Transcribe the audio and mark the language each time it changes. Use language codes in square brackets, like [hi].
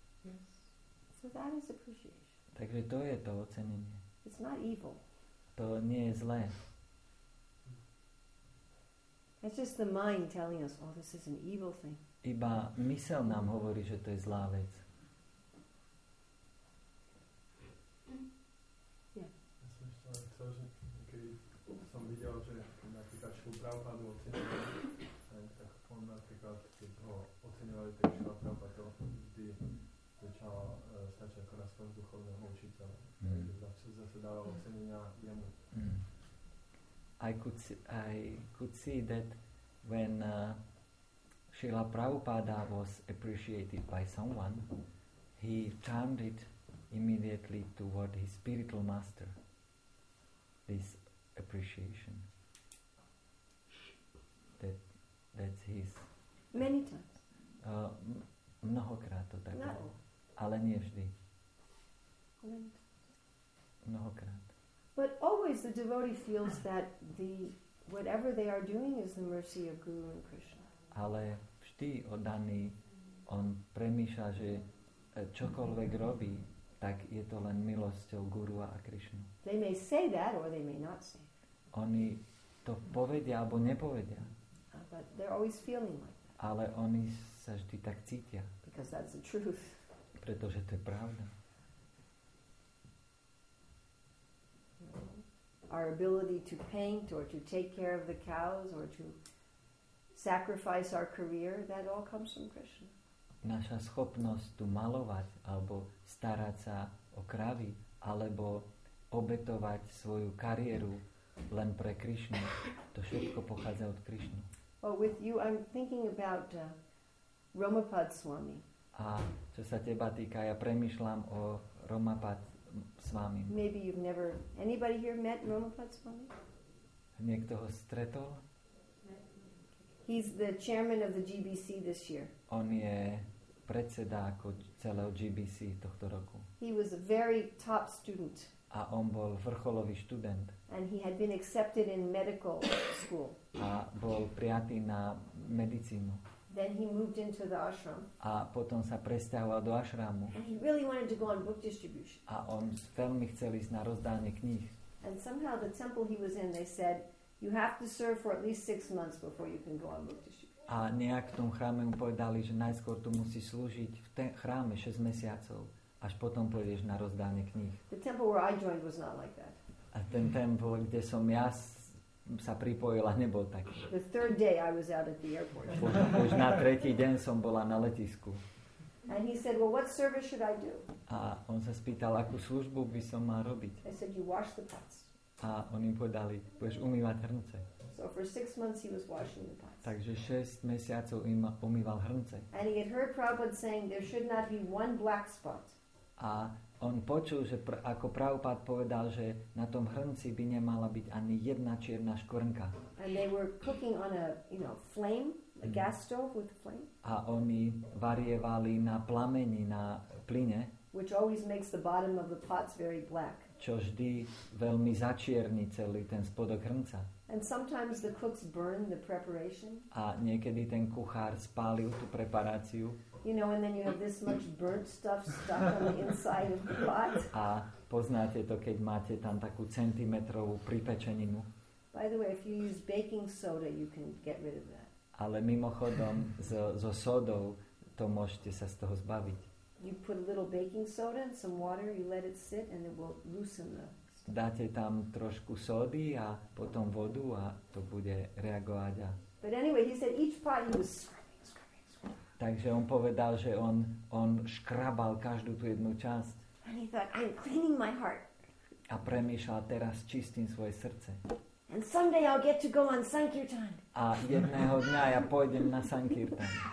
[en] Yes. So that is appreciation. [sk] Takže to je to ocenenie. [en] It's not evil. [sk] To nie je zlé. [en] It's just the mind telling us, oh, this is an evil thing. [sk] Iba mysel nám hovorí, že to je zlá vec. Ja som ešte len chcel, že keď som videl, že napríklad Šrila Prabhupádu ocenili, tak on napríklad, keď ho ocenili, tak Šrila Prabhupáda vždy začala stačiť ako rastlo z duchovného učiteľa. Takže zase dával ocenenia jemu. [en] I could see that when Srila Prabhupada was appreciated by someone, he turned it immediately toward his spiritual master, this appreciation. That's his... Many times. [sk] Mnohokrát to tak. Ale nie vždy. Mnohokrát. [en] But always the devotee feels that the whatever they are doing is the mercy of Guru and Krishna. [sk] Ale ty oddaný, on premýšľa, že čokoľvek robí, tak je to len milosťou Guru a Krishnu. [en] They may say that or they may not say. [sk] Oni to povedia alebo nepovedia. [en] But they're always feeling like that. [sk] Ale oni sa vždy tak cítia. [en] Because that's the truth. [sk] Pretože to je pravda. [en] Our ability to paint or to take care of the cows or to sacrifice our career, that all comes from Krishna. [sk] Naša schopnosť tu malovať alebo starať sa o kravy alebo obetovať svoju kariéru len pre Krishnu, to všetko pochádza od Krishnu. [en] Well, with you I'm thinking about Ramapad Swami. [sk] A čo sa teba týka, ja premýšľam o Ramapad Swami. [en] Maybe you've never anybody here met Ramapad Swami? [sk] Niekto ho stretol? [en] He's the chairman of the GBC this year. [sk] On je predseda ako celého GBC tohto roku. [en] He was a very top student. [sk] A on bol vrcholový študent. [en] And he had been accepted in medical school. [sk] A bol prijatý na medicínu. [en] Then he moved into the ashram. [sk] A potom sa presťahoval do ašrámu. [en] And he really wanted to go on book distribution. [sk] A on veľmi chcel ísť na rozdanie kníh. [en] And somehow the temple he was in, they said, you have to serve for at least 6 months before you can go on book distribution. [sk] A nejak v tom chráme mu povedali, že najskôr tu musí slúžiť v chráme 6 mesiacov, až potom pôjdeš na rozdanie kníh. [en] The temple where I joined was not like that. [sk] A ten temple, kde som ja sa pripojil, a nebol taký. [en] The third day I was out at the airport. [sk] Už na tretí deň som bola na letisku. [en] And he said, well, what service should I do? [sk] A on sa spýtal, akú službu by som mal robiť. [en] I said, you wash the pots. [sk] A oni povedali, budeš umývať hrnce. [en] So for 6 months he was washing the pots. [sk] Takže 6 mesiacov im umýval hrnce. [en] And he had heard Prabhupada saying there should not be one black spot. [sk] A on počul, že ako Prabhupada povedal, že na tom hrnci by nemala byť ani jedna čierna škvrnka. [en] And they were cooking on a, you know, flame, a gas stove with flame. [sk] A oni varievali na plameni, na plyne. [en] Which always makes the bottom of the pots very black. [sk] Čo vždy veľmi začierni celý ten spodok hrnca. [en] And sometimes the cooks burn the preparation. [sk] A niekedy ten kuchár spálil tú preparáciu. [en] You know, and then you have this much burnt stuff stuck on the inside of the pot. [sk] A poznáte to, keď máte tam takú centimetrovú pripečeninu. [en] By the way, if you use baking soda, you can get rid of that. [sk] Ale mimochodom, so sodou to môžete sa z toho zbaviť. [en] You put a little baking soda and some water, you let it sit and it will loosen the... [sk] Dáte tam trošku sody a potom vodu a to bude reagovať. A... [en] But anyway, he said each pot he was... [sk] Takže on povedal, že on škrabal každú tú jednu časť. [en] And he thought, I'm cleaning my heart. [sk] A premýšľal, teraz čistím svoje srdce. [en] And someday I'll get to go on Sankirtan. [sk] A jedného dňa ja pôjdem na Sankirtan.